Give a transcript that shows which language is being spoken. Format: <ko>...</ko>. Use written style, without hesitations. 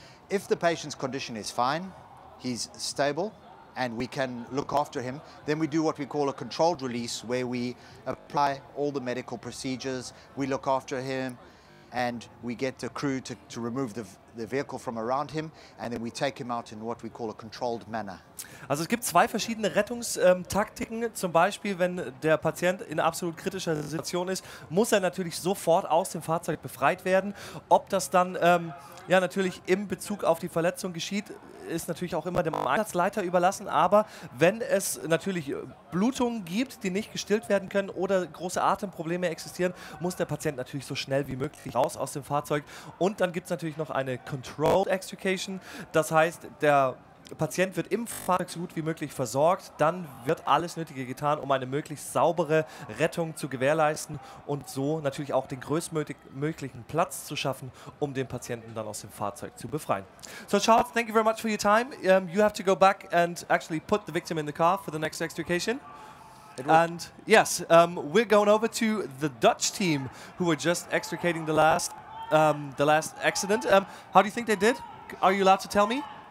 <en>If the patient's condition is fine, he's stable and we can look after him, then we do what we call a controlled release, where we apply all the medical procedures, we look after him, and we get the crew to remove the vehicle from around him, and then we take him out in what we call a controlled manner.</en> <de>Also es gibt zwei verschiedene Rettungstaktiken. Zum Beispiel, wenn der Patient in absolut kritischer Situation ist, muss er natürlich sofort aus dem Fahrzeug befreit werden. Ob das dann ja natürlich im Bezug auf die Verletzung geschieht, ist natürlich auch immer dem Einsatzleiter überlassen. Aber wenn es natürlich Blutungen gibt, die nicht gestillt werden können oder große Atemprobleme existieren, muss der Patient natürlich so schnell wie möglich raus aus dem Fahrzeug. Und dann gibt es natürlich noch eine Controlled Extrication. Das heißt, der Patient wird im Fahrzeug so gut wie möglich versorgt. Dann wird alles Nötige getan, um eine möglichst saubere Rettung zu gewährleisten und so natürlich auch den größtmöglichen Platz zu schaffen, um den Patienten dann aus dem Fahrzeug zu befreien.</de> <en>So Charles, thank you very much for your time. You have to go back and actually put the victim in the car for the next extrication. And yes, we're going over to the Dutch team who were just extricating the last accident. How do you think they did? Are you allowed to tell me?</en>